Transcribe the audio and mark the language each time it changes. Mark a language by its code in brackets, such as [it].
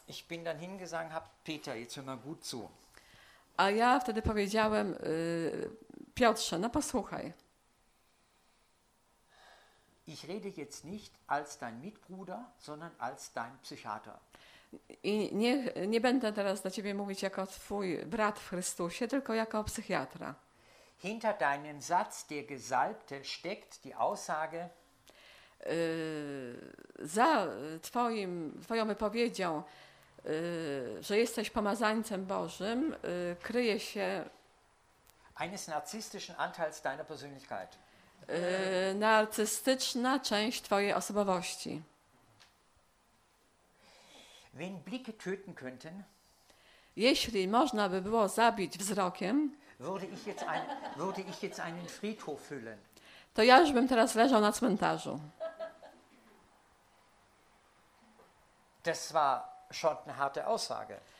[de] Ich bin dann hingesagt, hab Peter, jetzt hör mal gut zu. [pl] A ja wtedy powiedziałem, Piotrze, no posłuchaj. [de] Ich rede jetzt nicht als dein Mitbruder, sondern als dein Psychiater. [pl] I nie będę teraz do ciebie mówić jako twój brat w Chrystusie, tylko jako psychiatra. [de] Hinter deinem Satz der Gesalbte steckt die Aussage. [pl] Za twoją wypowiedzią, że jesteś pomazańcem Bożym, kryje się [de] eines narcystischen Anteils deiner Persönlichkeit. [pl] Narcystyczna część twojej osobowości. [de] Wenn Blicke töten könnten, [pl] jeśli można by było zabić wzrokiem, [de] würde ich jetzt einen Friedhof füllen. [pl] To ja już bym teraz leżał na cmentarzu. [de] Das war schon eine harte Aussage.